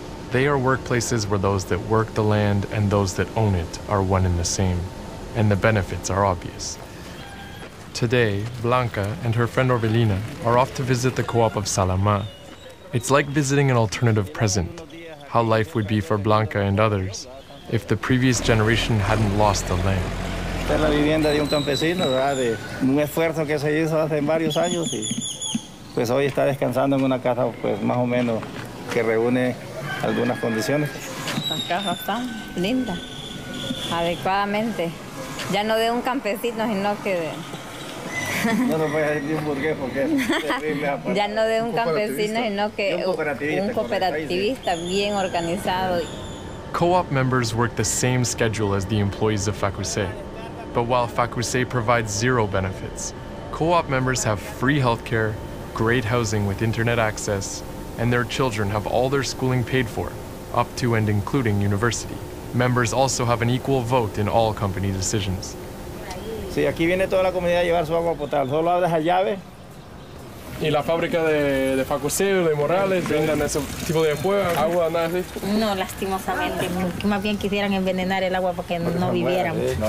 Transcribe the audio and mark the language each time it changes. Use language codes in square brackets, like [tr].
[en] They are workplaces where those that work the land and those that own it are one and the same, and the benefits are obvious. Today, Blanca and her friend Orvelina are off to visit the co-op of Salama. It's like visiting an alternative present, how life would be for Blanca and others if the previous generation hadn't lost the land. [es] Es la vivienda de un campesino, ¿verdad? De un esfuerzo que se hizo hace varios años y pues hoy está descansando en una casa pues más o menos que reúne algunas condiciones. Las casas están lindas, adecuadamente. Ya no de un campesino, sino que de... No se puede decir ni un burgués porque... Ya no de un campesino, sino que un cooperativista bien organizado. [en] Co-op members work the same schedule as the employees of FACUSE. But while FACUSE provides zero benefits, co-op members have free healthcare, great housing with internet access, and their children have all their schooling paid for, up to and including university. Members also have an equal vote in all company decisions. [es] Sí, aquí viene toda la comunidad a llevar su agua potable. Solo abres la llave. Y la fábrica de FACUSE, de Morales, brindan ese tipo de agua, nada así. No, lastimosamente. Porque más bien quisieran envenenar el agua para que no viviéramos.